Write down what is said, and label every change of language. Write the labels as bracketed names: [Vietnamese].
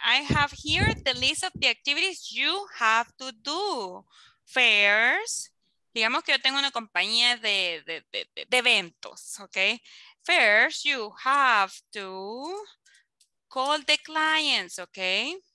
[English] I have here the list of the activities you have to do. Fairs. [Spanish] Digamos que yo tengo una compañía de eventos, okay? [English] Fairs, you have to call the clients, okay?